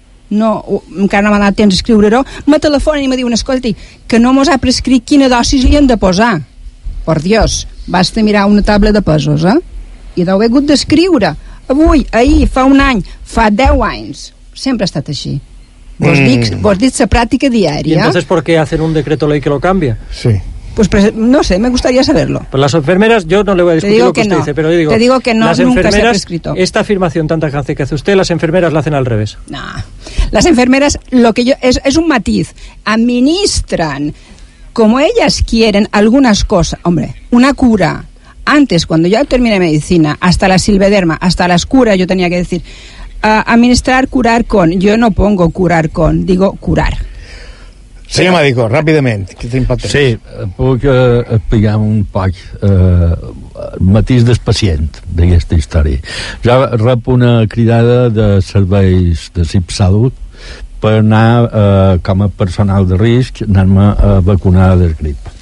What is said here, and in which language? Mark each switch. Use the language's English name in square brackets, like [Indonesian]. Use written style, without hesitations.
[Catalan] no, encara no m'ha donat temps a escriure-ho, me telefonen i me diuen, escolta, que no mos ha prescrit quina dosis li han de posar, [Spanish] por Dios, [Catalan] vas a mirar una taula de pesos, eh? I d'haver hagut d'escriure avui, ahir, fa un any, fa 10 anys sempre ha estat així. Vos dic la pràctica diària. [Spanish] I entonces, ¿por qué hacen un decreto ley que lo cambia? Sí. Pues no sé, me gustaría saberlo. Pues las enfermeras, yo no le voy a discutir lo que usted dice, pero yo digo, te digo que no, las nunca se ha prescrito. Esta afirmación tan tajante que hace usted, las enfermeras la hacen al revés. No, las enfermeras, lo que yo, es un matiz, administran como ellas quieren algunas cosas, hombre, una cura. Antes, cuando yo terminé medicina, hasta la silvederma, hasta las curas, yo tenía que decir, administrar, curar con. Yo no pongo curar con, digo curar. [Catalan] Senyor Mèdico, ràpidament, que tenim poc temps. Sí, puc explicar un poc el matís del pacient d'aquesta història. Jo rep una cridada de serveis de CIP Salut per anar com a personal de risc, anar-me a vacunar del grip.